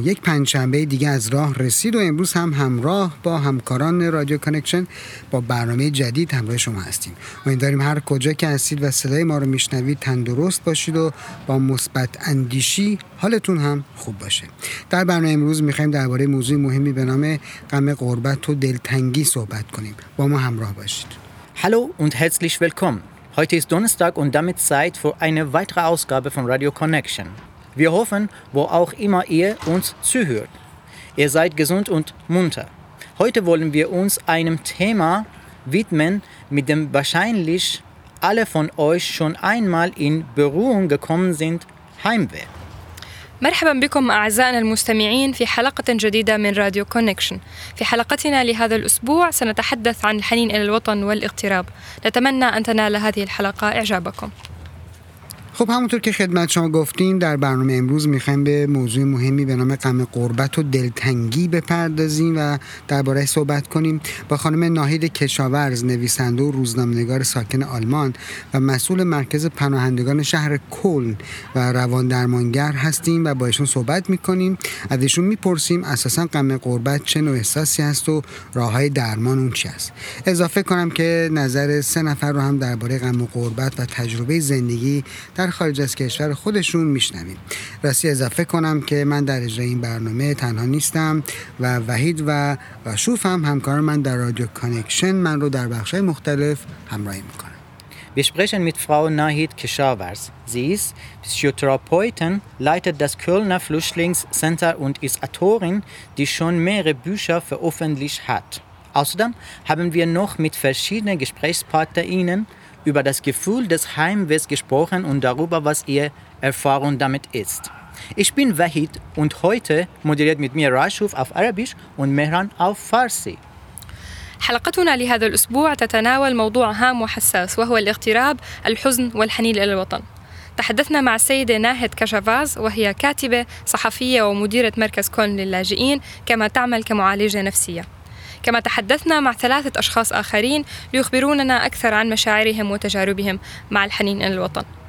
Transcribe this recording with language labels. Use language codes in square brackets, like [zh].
[fa] یک پنجشنبه دیگه از راه رسید و امروز هم همراه با همکاران رادیو کانکشن با برنامه جدید همراه شما هستیم. امیدواریم هر کجا که هستید و صدای ما رو میشنوید تندرست باشید و با مثبت اندیشی حالتون هم خوب باشه. در برنامه امروز میخواییم درباره موضوع مهمی به نام غم غربت و دلتنگی صحبت کنیم. با ما همراه باشید. [de] Hallo und herzlich willkommen. Heute ist Donnerstag und damit Zeit für eine weitere Ausgabe von Radio Connection. Wir hoffen, wo auch immer ihr uns zuhört. Ihr seid gesund und munter. Heute wollen wir uns einem Thema widmen, mit dem wahrscheinlich alle von euch schon einmal in Berührung gekommen sind: Heimweh. [ar] مرحبا بكم أعزائنا المستمعين في حلقة جديدة من راديو كونكشن. في حلقتنا لهذا الأسبوع سنتحدث عن الحنين إلى الوطن والاغتراب. نتمنى أن تنال هذه الحلقة إعجابكم. [fa] خب همونطور که خدمت شما گفتیم در برنامه امروز میخوایم به موضوع مهمی به نام غم غربت و دلتنگی بپردازیم و درباره صحبت کنیم. با خانم ناهید کشاورز، نویسنده و روزنامه‌نگار ساکن آلمان و مسئول مرکز پناهندگان شهر کلن و روان درمانگر هستیم و با ایشون صحبت میکنیم. از ایشون میپرسیم اساسا غم غربت چه نوع احساسی هست و راههای درمان اون چی است. اضافه کنم که نظر سه نفر رو هم درباره غم غربت و تجربه زندگی در خارج از کشور خودشون میشنوید. راستی اضافه کنم که من در اجرای این برنامه تنها نیستم و وحید و شوف هم همکار من در رادیو کانکشن من رو در بخش‌های مختلف همراهی میکنن. [de] Wir sprechen mit Frau Nahid Kishawars. Sie ist Psychotherapeutin, leitet das Kölner Flüchtlingscenter und ist Autorin, die schon mehrere Bücher veröffentlicht hat. Außerdem haben wir noch mit verschiedenen GesprächspartnerInnen über das Gefühl des Heimwehs gesprochen und darüber, was ihre Erfahrung damit ist. Ich bin Wahid und heute moderiert mit mir Rashuf auf Arabisch und Mehran auf Farsi. [ar] حلقتنا لهذا الأسبوع تتناول موضوع هام وحساس وهو الاغتراب، الحزن والحنين إلى الوطن. تحدثنا مع السيدة ناهد كشافاز وهي كاتبة صحفية ومديرة مركز كون للاجئين كما تعمل كمعالجة نفسية. كما تحدثنا مع ثلاثة أشخاص آخرين ليخبروننا أكثر عن مشاعرهم وتجاربهم مع الحنين إلى الوطن.